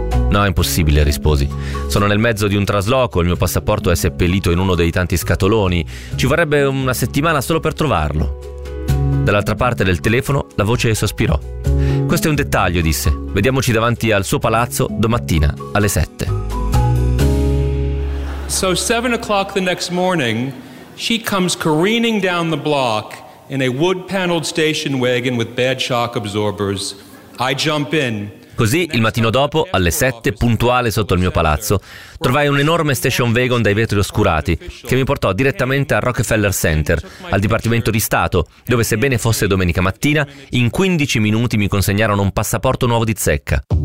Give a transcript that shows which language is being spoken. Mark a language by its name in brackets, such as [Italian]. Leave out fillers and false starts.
[Italian] «No, è impossibile», risposi. «Sono nel mezzo di un trasloco, il mio passaporto è seppellito in uno dei tanti scatoloni. Ci vorrebbe una settimana solo per trovarlo». Dall'altra parte del telefono la voce sospirò. «Questo è un dettaglio», disse. «Vediamoci davanti al suo palazzo domattina alle 7. [English] So 7 o'clock the next morning, she comes careening down the block in a wood-paneled station wagon with bad shock absorbers. I jump in. [Italian] Così il mattino dopo, alle 7, puntuale sotto il mio palazzo, trovai un enorme station wagon dai vetri oscurati che mi portò direttamente al Rockefeller Center, al Dipartimento di Stato, dove sebbene fosse domenica mattina, in 15 minuti mi consegnarono un passaporto nuovo di zecca.